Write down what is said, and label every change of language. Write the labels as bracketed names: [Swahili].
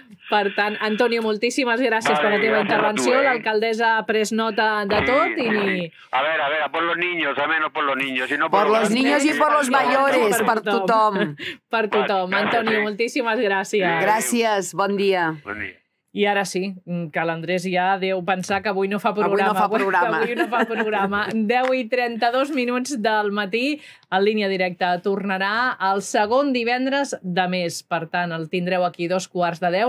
[Catalan] Per tant, Antonio, moltíssimes gràcies per la teva intervenció. L'alcaldessa ha pres nota de tot. [Spanish] A ver, por los niños, a menos por los niños. Por los niños y por los mayores, [Catalan] per tothom. Per tothom. Antonio, moltíssimes gràcies. Gràcies, bon dia. Bon dia. I ara sí, que l'Andrés ja deu pensar que avui no fa programa. Avui no fa programa. 10:32 del matí, en línia directa. Tornarà el segon divendres de mes. Per tant, el tindreu aquí 9:45.